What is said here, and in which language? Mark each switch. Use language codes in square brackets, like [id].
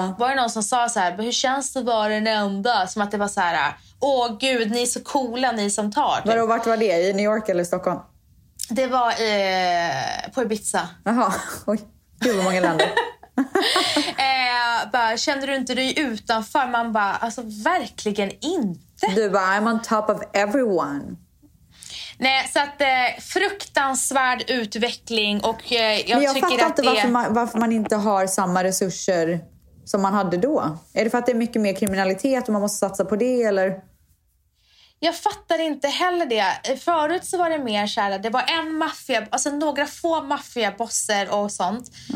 [sv] Var det någon som sa så här, hur känns det att vara den enda? Som att det var så här, åh gud, ni är så coola ni som tar. Vart var det, i New York eller Stockholm? Det var på Ibiza. Jaha, oj. Gud vad många länder. Bara, känner du inte dig utanför? Man bara, alltså verkligen inte. Du bara, [en] I'm on top of everyone. [sv] Nej, så att fruktansvärd utveckling. Och jag tycker fattar att inte det... varför man inte har samma resurser som man hade då. Är det för att det är mycket mer kriminalitet och man måste satsa på det eller... Jag fattar inte heller det. Förut så var det mer så här, det var en maffia, alltså några få maffiabosser och sånt.